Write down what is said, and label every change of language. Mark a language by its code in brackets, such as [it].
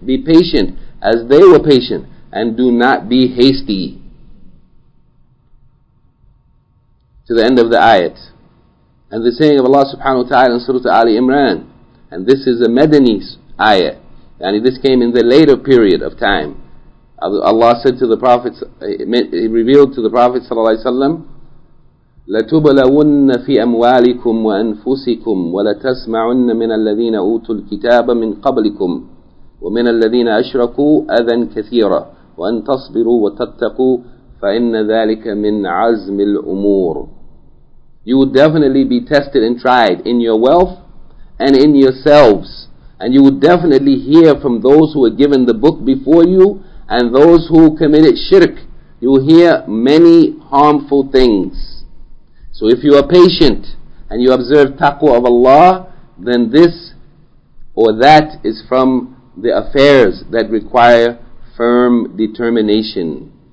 [en] Be patient as they were patient and do not be hasty. To the end of the ayat. And the saying of Allah subhanahu wa ta'ala in Surah Ali Imran. And this is a Madani ayah. And this came in the later period of time. Allah said to the Prophet, He revealed to the Prophet sallallahu alaihi wasallam, [ar] لتبلون في أموالكم وأنفسكم ولتسمعن من الذين أوتوا الكتاب من قبلكم ومن الذين أشركوا أذى كثيرة وأن تصبروا وتتقوا فإن ذلك من عزم الأمور. [en] You would definitely be tested and tried in your wealth and in yourselves, and you would definitely hear from those who were given the book before you and those who committed shirk. You will hear many harmful things. So if you are patient and you observe taqwa of Allah, then this or that is from the affairs that require firm determination.